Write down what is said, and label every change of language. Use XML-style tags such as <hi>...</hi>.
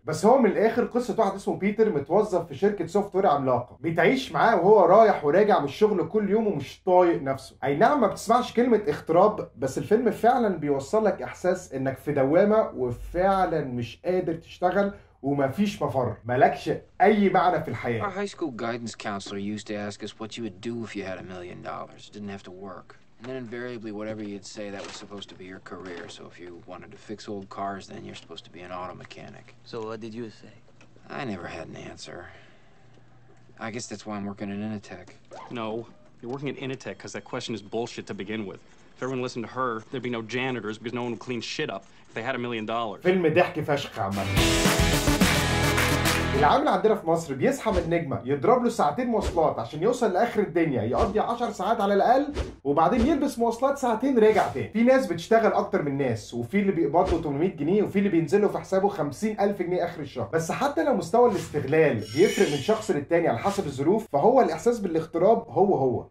<ar>بس هو من الاخر قصه واحد اسمه بيتر متوظف في شركه سوفت وير عملاقه، بيتعيش معاه وهو رايح وراجع من الشغل كل يوم ومش طايق نفسه. اي نعم ما بتسمعش كلمه اغتراب، بس الفيلم فعلا يوصل لك احساس انك في دوامة وفعلا مش قادر تشتغل ومفيش مفر، مالكش اي معنى في الحياة.</ar> <en>Our high school guidance counselor used to ask us what you would do if you had $1 million, didn't have to work. And then invariably whatever you'd say that was supposed to be your career. So if you wanted to fix old cars then you're supposed to be an auto mechanic. So what did you say? I never had an answer. I guess that's why I'm working at Initech. No, you're working at Initech because that question is bullshit to begin with. If everyone listened to her, there'd be no janitors because no one would clean shit up if they had $1 million.</en> <ar>فيلم ضحك فشخ عامة. العامل عندنا في مصر بيصحى من النجمة يضرب له ساعتين مواصلات عشان يوصل لاخر الدنيا يقضي 10 ساعات على الاقل وبعدين يلبس مواصلات ساعتين راجع تاني. في ناس بتشتغل اكتر من ناس وفي اللي بيقبضوا 800 جنيه وفي اللي بينزلوا في حسابه 50000 جنيه اخر الشهر. بس حتى لو مستوى الاستغلال بيفرق من شخص للتاني على حسب الظروف فهو الاحساس بالاغتراب هو هو.</ar>